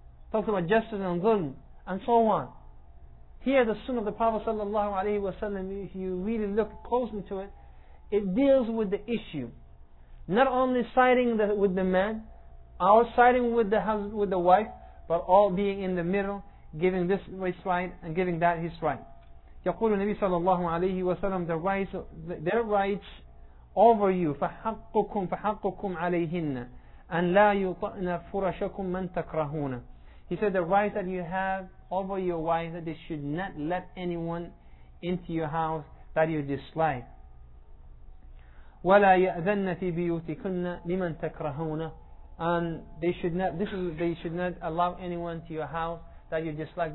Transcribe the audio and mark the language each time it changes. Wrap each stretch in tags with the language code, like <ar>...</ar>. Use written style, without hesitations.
<en>Talks about justice and Dhulm, and so on. Here the Sunnah of the Prophet sallallahu alaihi wasallam, if you really look closely to it, it deals with the issue. Not only siding with the man, or siding with the husband, with the wife, but all being in the middle, giving this his right and giving that his right.</en> <ar>يقول النبي صلى الله عليه وسلم,</ar> <en>their rights over you,</en> <ar>فحقكم عليهن, أن لا يطأن فرشكم من تكرهون.</ar> <en>He said, the right that you have over your wife, that they should not let anyone into your house that you dislike.</en> <ar>ولا يأذن في بيوتكن لمن تكرهون,</ar> <en>and they should not allow anyone to your house that you dislike.</en>